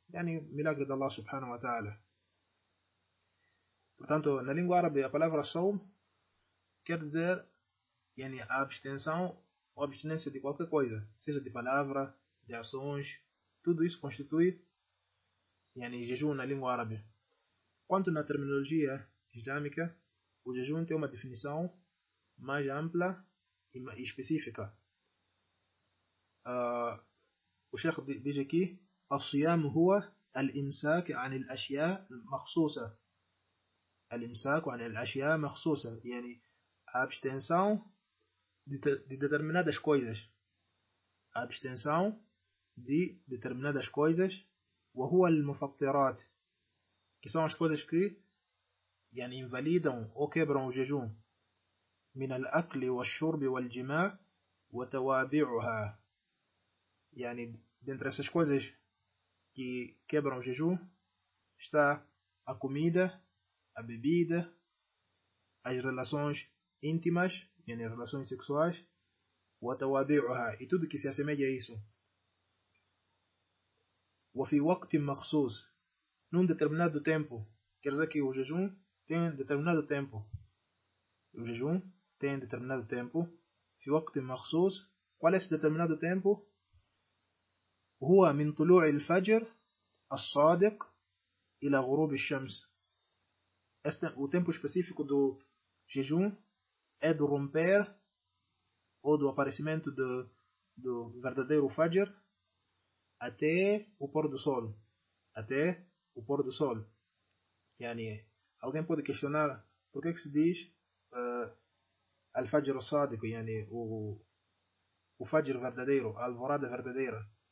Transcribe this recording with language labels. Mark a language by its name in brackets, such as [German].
[Portuguese] Yani, milagre de Allah subhanahu wa ta'ala. Portanto, na língua árabe, a palavra shawm quer dizer, yani, a abstenção ou abstinência de qualquer coisa, seja de palavra, de ações, tudo isso constitui, yani, jejum na língua árabe. Quanto na terminologia islâmica, o jejum tem uma definição mais ampla e específica. O Sheikh diz aqui: [Arabic] "الصيام هو الإمساك عن الأشياء المخصوصة". الإمساك عن الأشياء المخصوصة, [Portuguese] yani, a abstenção de determinadas coisas. A abstenção de determinadas coisas. [Arabic] وهو المفطرات, [Portuguese] que são as coisas que, yani, invalidam ou quebram o jejum. [Arabic] من الأكل والشرب والجماع وتوابعها, [Portuguese] yani, dentre essas coisas que quebram o jejum está a comida, a bebida, as relações íntimas, yani, relações sexuais, [Arabic] وتوابعها, [Portuguese] e tudo que se assemelha a isso. [Arabic] وفي وقت مخصوص, [Portuguese] num determinado tempo, quer dizer que o jejum tem determinado tempo. O jejum tem determinado tempo. [Arabic] في وقت مخصوص, [Portuguese] qual é esse determinado tempo? [Arabic] هو من طلوع الفجر الصادق إلى غروب الشمس. [Portuguese] O tempo específico do jejum é do romper ou do aparecimento do verdadeiro Fajr até o pôr do sol. Até o pôr do sol. Yani, alguém pode questionar por que se diz al-Fajr al-Sadiq, yani, o Fajr verdadeiro, a alvorada verdadeira.